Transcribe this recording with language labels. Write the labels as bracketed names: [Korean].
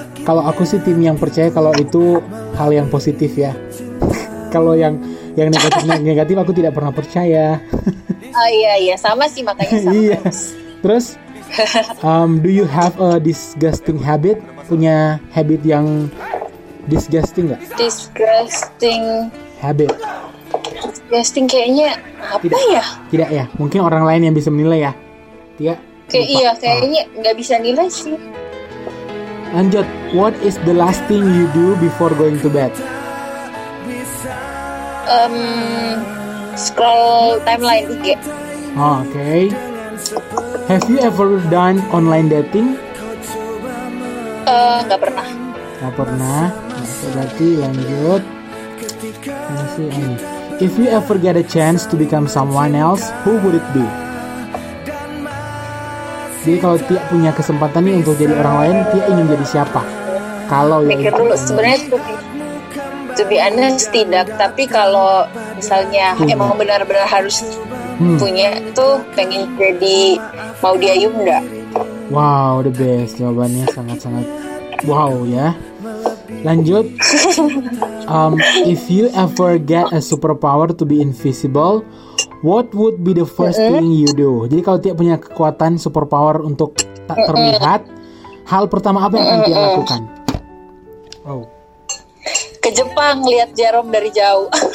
[Indonesian] Kalau aku sih tim yang percaya kalau itu hal yang positif ya. Kalau yang negatif aku tidak pernah percaya. Oh iya sama sih makanya sama. Iya. Terus [English] do you have a disgusting habit? [Indonesian] Punya habit yang disgusting enggak? Disgusting kayaknya apa tidak, ya? Tidak ya. Mungkin orang lain yang bisa menilai ya. Tia. Kayaknya enggak bisa nilai sih. Lanjut. [English] What is the last thing you do before going to bed? Scroll timeline IG. Oh, okay. Have you ever done online dating? [Indonesian] Gak pernah. Nah, berarti lanjut. Masih ini. [English] If you ever get a chance to become someone else, who would it be? [Indonesian] Jadi kalau Tia punya kesempatan nih untuk jadi orang lain, Tia ingin jadi siapa? Kalau mikir dulu sebenarnya. [English] To be honest, [Indonesian] tidak. Tapi kalau misalnya emang benar-benar harus punya, itu pengen jadi Maudy Ayunda. [English] Wow, the best. [Indonesian] Jawabannya sangat-sangat wow ya. Lanjut. [English] If you ever get a superpower to be invisible, what would be the first thing you do? [Indonesian] Jadi kalau Tia punya kekuatan superpower untuk tak terlihat, hal pertama apa yang akan Tia lakukan? Ke Jepang lihat Jerome dari jauh.